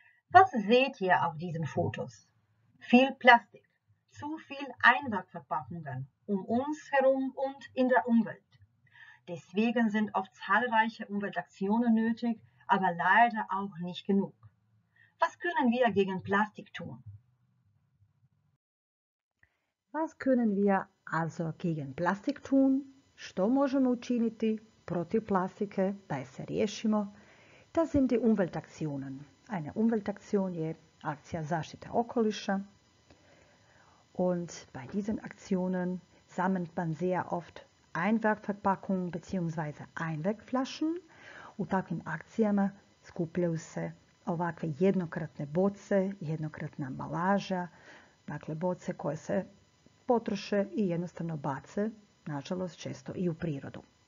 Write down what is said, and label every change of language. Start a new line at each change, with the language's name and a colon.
German: Was seht ihr auf diesen Fotos? Viel Plastik, zu viel Einwegverpackungen um uns herum und in der Umwelt. Deswegen sind oft zahlreiche Umweltaktionen nötig, aber leider auch nicht genug. Was können wir gegen Plastik tun? Was können wir also gegen Plastik tun?
Croatian: Što možemo učiniti protiv plastike da se riješimo?
German: Das sind die Umweltaktionen. Eine Umweltaktion
Croatian: je Akcija zaštite okoliša.
German: Und bei diesen Aktionen sammelt man sehr oft Einwegverpackungen bzw.
Croatian: Einwegflaschen. U takvim akcijama skupljaju se ovakve jednokratne boce, jednokratna ambalaža, dakle boce koje se potroše i jednostavno bace, nažalost, često i u prirodu.